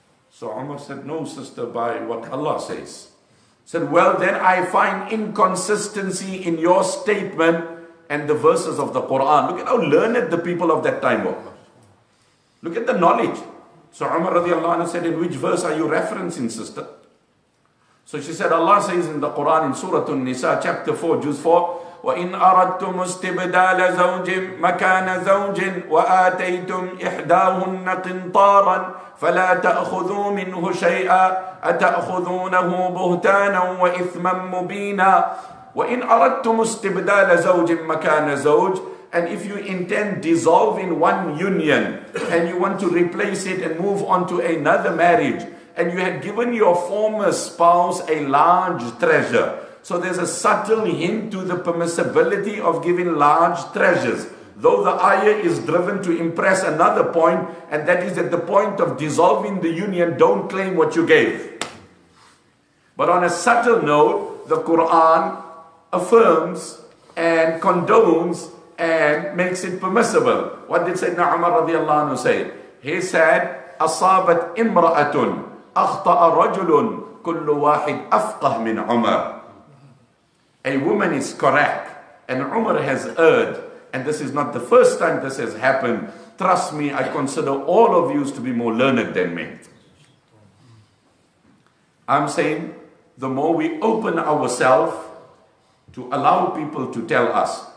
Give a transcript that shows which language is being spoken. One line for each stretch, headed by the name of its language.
English: So Umar said, no sister, by what Allah says. Said, well then I find inconsistency in your statement and the verses of the Quran. Look at how learned the people of that time were. Look at the knowledge. So Umar radiallahu anhu said, in which verse are you referencing, sister? So she said, Allah says in the Quran, in Surah An-Nisa, chapter 4, juz 4,
Arabic: وَإِنْ أَرَدْتُمُ اسْتِبْدَالَ زَوْجٍ مَكَانَ زَوْجٍ وَآتَيْتُمْ إِحْدَاهُنَّ قِنْطَارًا فَلَا تَأْخُذُوا مِنْهُ شَيْئًا أَتَأْخُذُونَهُ بُهْتَانًا وَإِثْمًا مُبِينًا وَإِنْ أَرَدْتُمُ اسْتِبْدَالَ زَوْجٍ مَكَانَ زَوْجٍ.
English: And if you intend dissolving one union and you want to replace it and move on to another marriage, and you had given your former spouse a large treasure. So there's a subtle hint to the permissibility of giving large treasures. Though the ayah is driven to impress another point, and that is at the point of dissolving the union, don't claim what you gave. But on a subtle note, the Quran affirms and condones and makes it permissible. What did Sayyidina Umar radiallahu anhu say? He said,
Arabic: أصابت إمرأةٌ أخطأ رجلٌ كل واحد أفقه من عمر.
English: A woman is correct, and Umar has erred, and this is not the first time this has happened. Trust me, I consider all of you to be more learned than me. I'm saying, the more we open ourselves to allow people to tell us.